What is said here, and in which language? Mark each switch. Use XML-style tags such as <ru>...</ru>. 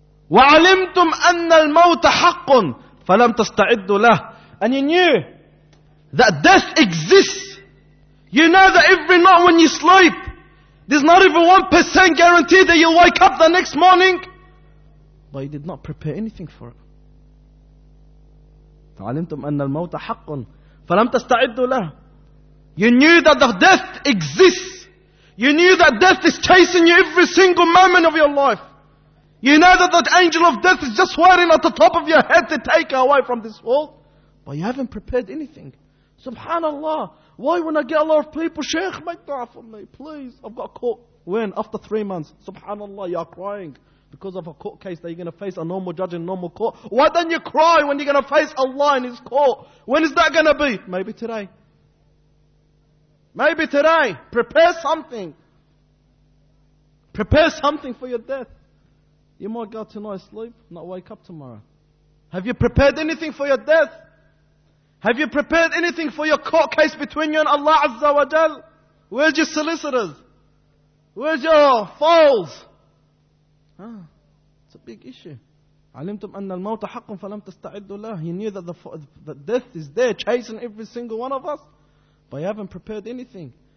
<ar>وَعَلِمْتُمْ أَنَّ الْمَوْتَ حَقٌّ فَلَمْ تَسْتَعِدُّ لَهُ.</ar> <en>And you knew that death exists. You know that every night when you sleep, there's not even 1% guarantee that you'll wake up the next morning. but he did not prepare anything for it.</en> <ar>تعلمتم أن الموت حق فلم تستعدوا له.</ar> <en>You knew that the death exists. You knew that death is chasing you every single moment of your life. You know that the angel of death is just waiting at the top of your head to take you away from this world. But you haven't prepared anything. Subhanallah. Why when I get a lot of people, Shaykh, make dua for me, please. I've got caught. When? After 3 months. Subhanallah, you are crying because of a court case that you're going to face a normal judge in a normal court. Why don't you cry when you're going to face Allah in His court? When is that going to be? Maybe today. Maybe today. Prepare something. Prepare something for your death. You might go tonight sleep, not wake up tomorrow. Have you prepared anything for your death? Have you prepared anything for your court case between you and Allah Azza wa Jal? Where's your solicitors? Where's your foals? Ah, it's a big issue.</en> <ar>علمتم أن الموت حق فلم تستعدوا له.</ar> <en>He knew that the death is there chasing every single one of us. But you haven't prepared anything.</en>